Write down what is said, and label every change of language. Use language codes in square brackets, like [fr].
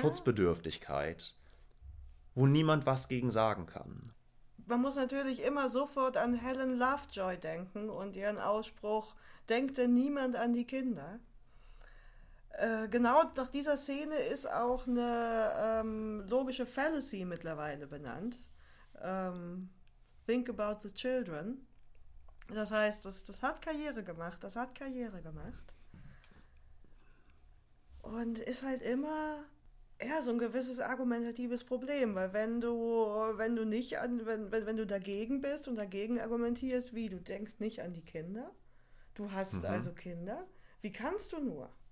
[de] Schutzbedürftigkeit, wo niemand was gegen sagen kann. Man muss natürlich immer sofort an Helen Lovejoy denken und ihren Ausspruch, denkt denn niemand an die Kinder? Genau nach dieser Szene ist auch eine logische Fallacy mittlerweile benannt. [en] Think about the children. [de] Das heißt, das hat Karriere gemacht, das hat Karriere gemacht. Und ist halt immer ja, so ein gewisses argumentatives Problem, weil wenn du dagegen bist und dagegen argumentierst, wie du denkst nicht an die Kinder, du hast also Kinder, wie kannst du nur?